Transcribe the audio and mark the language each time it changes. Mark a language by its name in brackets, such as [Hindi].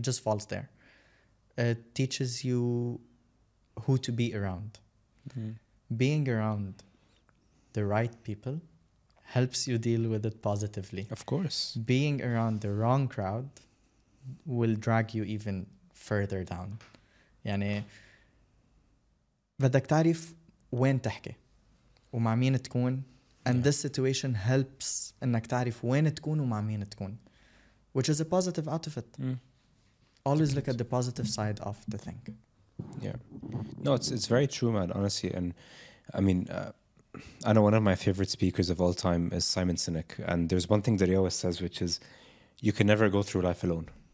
[English] It just falls there. It teaches you who to be around. Mm-hmm. Being around the right people helps you deal with it positively. Of course. Being around the wrong crowd will drag you even further down. [Arabic] يعني بدك تعرف وين تحكي ومع مين تكون. [English] And this situation helps [Arabic] انك تعرف وين تكون ومع مين تكون. [English] Which is a positive out of it. Mm. Always look at the positive side of the thing. Yeah. No, it's very true, man, honestly. And I mean, I know one of my favorite speakers of all time is Simon Sinek. And there's one thing that he always says, which is, you can never go through life alone.